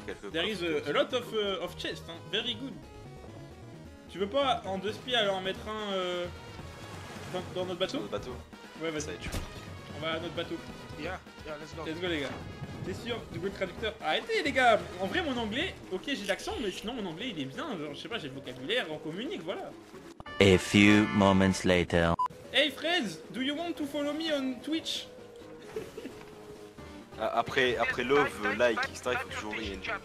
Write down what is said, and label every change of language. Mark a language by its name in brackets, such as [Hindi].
[English] There is a lot of chests, hein. Very good. [French] Tu veux pas en deux spies alors en mettre un dans notre bateau? Dans notre bateau. Ouais, vas-y. On va à notre bateau. [English] Yeah, let's go. Let's go, [French] les gars. T'es sûr? Du traducteur. Arrêtez, les gars. En vrai, mon anglais, ok, j'ai l'accent, mais sinon, mon anglais, il est bien. Genre, je sais pas, j'ai le vocabulaire, on communique, voilà. [English] A few moments later. Hey, friends, do you want to follow me on Twitch? [French] Après love, like, etc, il faut que je rie.